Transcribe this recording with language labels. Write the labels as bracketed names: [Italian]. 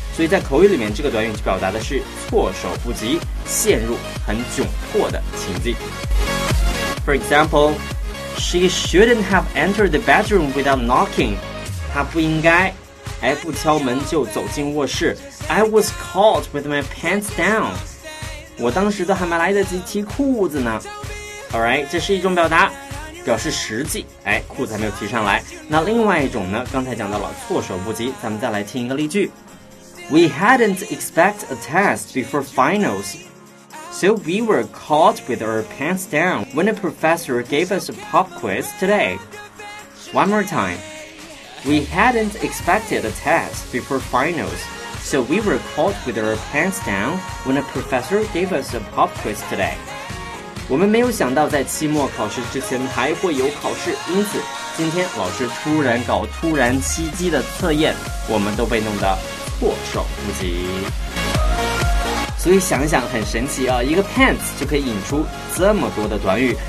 [Chinese] 所以在口语里面这个短语表达的是措手不及，陷入很窘迫的情境。 [English] For example, She shouldn't have entered the bedroom without knocking. [Chinese] 她不应该不敲门就走进卧室。 [English] I was caught with my pants down. [Chinese] 我当时都还没来得及提裤子呢。 [English] Alright, [Chinese] 这是一种表达，表示实际裤子还没有提上来。那另外一种呢，刚才讲到了措手不及，咱们再来听一个例句。 [English] We hadn't expect a test before finals, so we were caught with our pants down when the professor gave us a pop quiz today. One more time. We hadn't expected a test before finals, so we were caught with our pants down when the professor gave us a pop quiz today. [Chinese] 我们没有想到在期末考试之前还会有考试，因此今天老师突然搞突然袭击的测验，我们都被弄得措手不及。所以想想很神奇一个 pants 就可以引出这么多的短语。